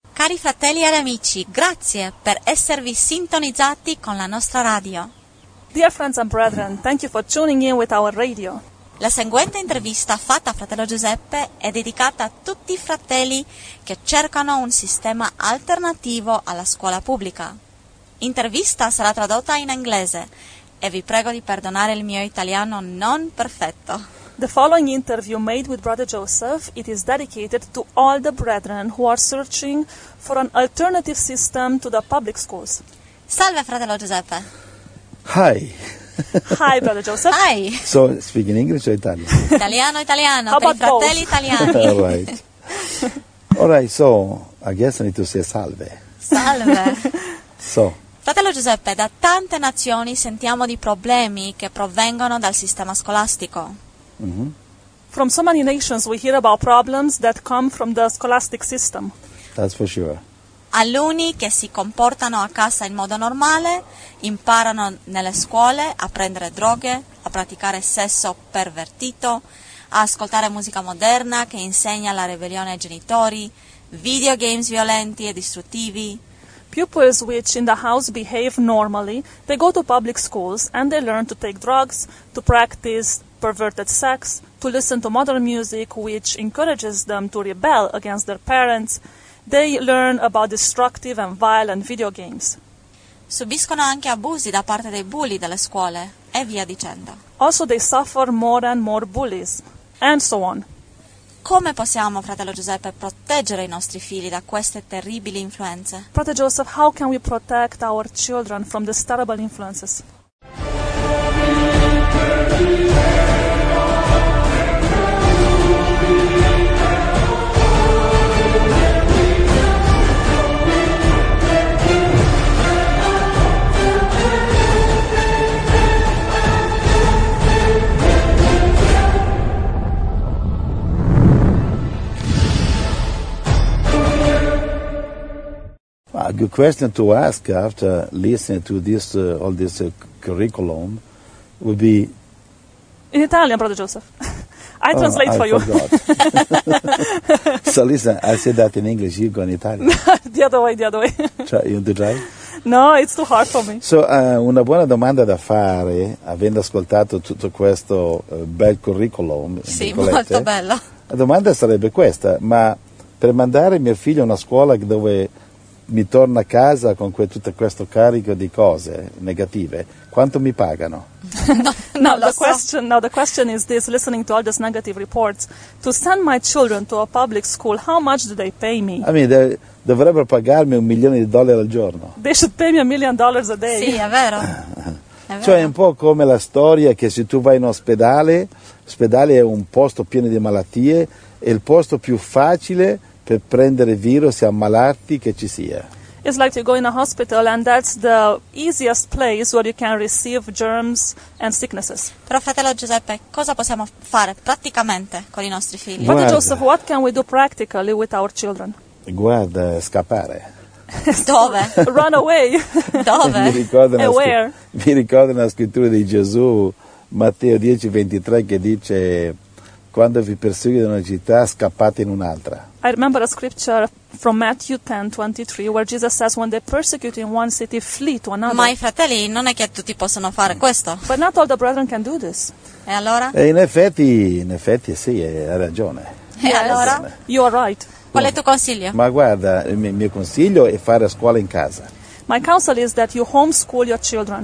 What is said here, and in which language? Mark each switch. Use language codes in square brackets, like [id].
[it] cari fratelli ed amici, grazie per esservi sintonizzati con la nostra radio. [en] Dear friends and brethren, thank you for tuning in with our radio. [it] La seguente intervista fatta a fratello Giuseppe è dedicata a tutti i fratelli che cercano un sistema alternativo alla scuola pubblica. Intervista sarà tradotta in inglese e vi prego di perdonare il mio italiano non perfetto. [en] The following interview made with Brother Joseph, it is dedicated to all the brethren who are searching for an alternative system to the public schools. [it] Salve, fratello Giuseppe. [en] Hi. Hi, Brother Joseph. Hi. So, speaking English or Italian? [it] Italiano, italiano. [en] How about [it] fratelli italiani? [en] All right. All right, so, I guess I need to say salve. [it] Salve. [en] So. [it] Fratello Giuseppe, da tante nazioni sentiamo di problemi che provengono dal sistema scolastico. [en] From so many nations we hear about problems that come from the scholastic system. That's for sure. [it] Alunni che si comportano a casa in modo normale, imparano nelle scuole a prendere droghe, a praticare sesso pervertito, a ascoltare musica moderna che insegna la ribellione ai genitori, videogames violenti e distruttivi. [en] Pupils which in the house behave normally, they go to public schools and they learn to take drugs, to practice perverted sex, to listen to modern music which encourages them to rebel against their parents. They learn about destructive and violent video games. [it] Subiscono anche abusi da parte dei bulli dalle scuole e via dicendo. [en] Also they suffer more and more bullies and so on. [it] Come possiamo, fratello Giuseppe, proteggere i nostri figli da queste terribili influenze? [en] Brother Joseph, how can we protect our children from these terrible influences? A good question to ask after listening to this all this curriculum would be... In Italian, Brother Joseph. I translate for you. So listen, I said that in English, you go in Italian. the other way. You want to try? No, it's too hard for me. [it] So una buona domanda da fare, avendo ascoltato tutto questo bel curriculum... Sì, molto bello. La domanda sarebbe questa, ma per mandare mio figlio a una scuola dove... mi torno a casa con tutto questo carico di cose negative, quanto mi pagano? [en] The question is this, listening to all these negative reports, to send my children to a public school, how much do they pay me? I mean, they [it] dovrebbero pagarmi $1,000,000 al giorno. [en] They should pay me $1,000,000 a day. [it] Sì, è vero. Cioè è un po' come la storia che se tu vai in ospedale, l'ospedale è un posto pieno di malattie, è il posto più facile per prendere virus e ammalarti che ci sia. [en] It's like you go in a hospital and that's the easiest place where you can receive germs and sicknesses. [it] Però fratello Giuseppe, cosa possiamo fare praticamente con i nostri figli? [en] Guarda, Father Joseph, what can we do practically with our children? [it] Guarda, scappare. Dove? [en] Run away. [it] Dove? Mi ricordo una scrittura di Gesù, Matteo 10:23, che dice... quando vi perseguite in una città, scappate in un'altra. [en] I remember a scripture from Matthew 10:23 where Jesus says when they persecute in one city, flee to another. [it] Ma i fratelli non è che tutti possono fare questo. [en] But not all the brethren can do this. [it] E allora? E in effetti sì, hai ragione. E allora? [en] You are right. [it] Qual è il tuo consiglio? Ma guarda, il mio consiglio è fare scuola in casa. [en] My counsel is that you homeschool your children.